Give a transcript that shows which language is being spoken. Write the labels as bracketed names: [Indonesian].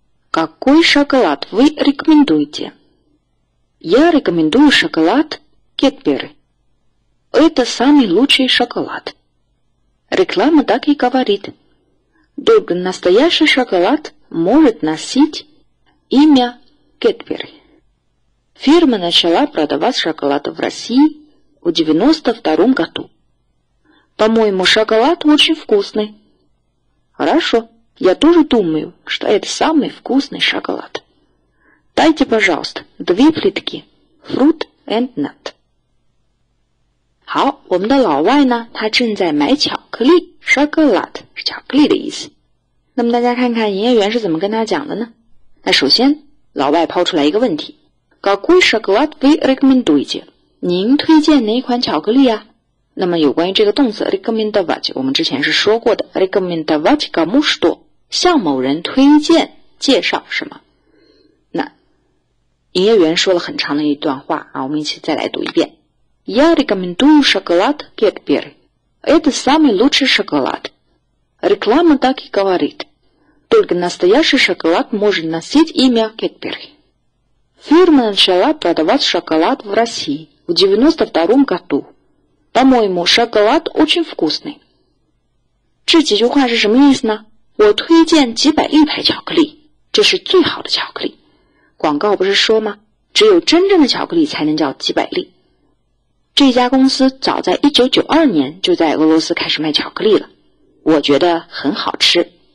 [Russian] Какой шоколад вы рекомендуете？ Я рекомендую шоколад Кетбери。 Это самый лучший шоколад。 Реклама так и говорит. Только настоящий шоколад может носить имя Кэтбери. Фирма начала продавать шоколад в России в 92-м году. По-моему, шоколад очень вкусный. Хорошо, я тоже думаю, что это самый вкусный шоколад. Дайте, пожалуйста, две плитки. [English] Fruit and nut. [Chinese] 好，我们的老外呢，他正在买巧克力 ，chocolate 是巧克力的意思。那么大家看看营业员是怎么跟他讲的呢？那首先，老外抛出来一个问题 ： [Russian] какой шоколад вы рекомендуете？ [Chinese] 您推荐哪一款巧克力啊？那么有关于这个动词 рекомендовать， 我们之前是说过的 ， [Russian] рекомендовать кому что？ [Chinese] 向某人推荐、介绍什么？那营业员说了很长的一段话啊，我们一起再来读一遍。 Я рекомендую шоколад Кэтбери. Это самый лучший шоколад. Реклама так и говорит. Только настоящий шоколад может носить имя Кэтбери. Фирма начала продавать шоколад в России в 92-м году. По-моему, шоколад очень вкусный. 这几句话是什么意思呢？我推荐几百亿台巧克力，这是最好的巧克力。广告不是说吗？只有真正的巧克力才能叫几百亿。这家公司早在1992年就在俄罗斯开始卖巧克力了，我觉得很好吃。